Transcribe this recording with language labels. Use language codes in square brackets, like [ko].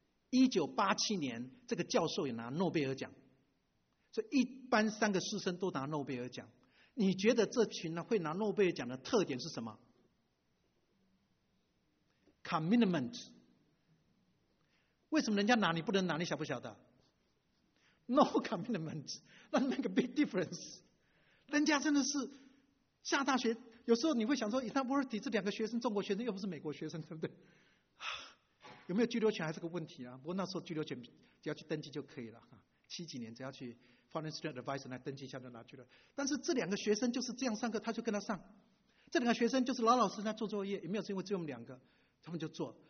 [zh] 1987年这个教授也拿诺贝尔奖，所以一般三个师生都拿诺贝尔奖。你觉得这群呢会拿诺贝尔奖的特点是什么 ？Commitment。为什么人家拿你不能拿？你晓不晓得？ [en] No commitment, not make a big difference. [zh] 人家真的是下大学，有时候你会想说 ， [en] Is that worthy？ [zh] 这两个学生，中国学生又不是美国学生，对不对？有没有居留权还是个问题啊？不过那时候居留权只要去登记就可以了哈。70几年只要去 Foreign Student Advisor 来登记一下就拿去了。但是这两个学生就是这样上课，他就跟他上。这两个学生就是老老实实在做作业，也没有是因为只有我们两个，他们就做。